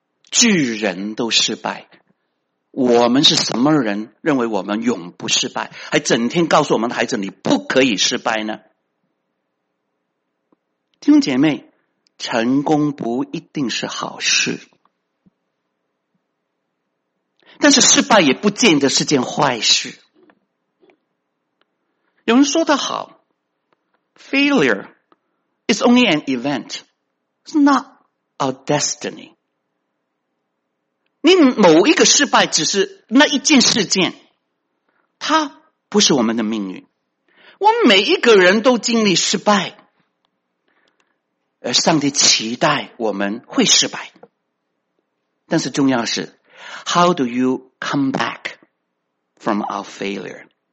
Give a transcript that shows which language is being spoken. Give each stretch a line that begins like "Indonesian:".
Chinese: 巨人都失败，我们是什么人认为我们永不失败，还整天告诉我们的孩子你不可以失败呢？弟兄姐妹，成功不一定是好事，但是失败也不见得是件坏事。有人说得好，
English: Failure is only an event, it's not our destiny.
Chinese: 你某一个失败只是那一件事件，它不是我们的命运。我们每一个人都经历失败，而上帝期待我们会失败，但是重要是
English: How do you come back from our failure?